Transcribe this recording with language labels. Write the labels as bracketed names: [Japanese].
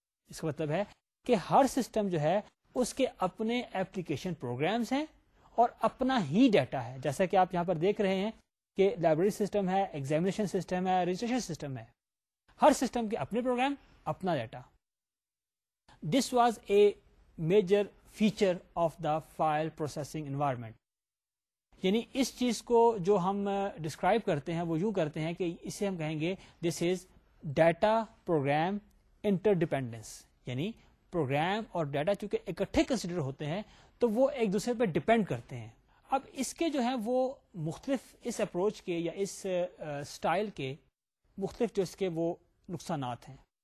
[Urdu] اس کا مطلب ہے کہ ہر سسٹم جو ہے اس کے اپنے ایپلیکیشن پروگرامز ہیں اور اپنا ہی ڈیٹا ہے. جیسا کہ آپ یہاں پر دیکھ رہے ہیں کہ لائبریری سسٹم ہے, ایگزامینیشن سسٹم ہے, رجسٹریشن سسٹم ہے, ہر سسٹم کے اپنے پروگرام اپنا data. [English] This was a major feature of the file processing environment. [Urdu] یعنی اس چیز کو جو ہم ڈسکرائب کرتے ہیں وہ یوں کرتے ہیں کہ اسے ہم کہیں گے [English] This is data program interdependence. [Urdu] یعنی پروگرام اور ڈیٹا چونکہ اکٹھے کنسیڈر ہوتے ہیں تو وہ ایک دوسرے پہ ڈیپینڈ کرتے ہیں. اب اس کے جو ہیں وہ مختلف اس اپروچ کے یا اس سٹائل کے مختلف جو اس کے وہ نقصانات ہیں.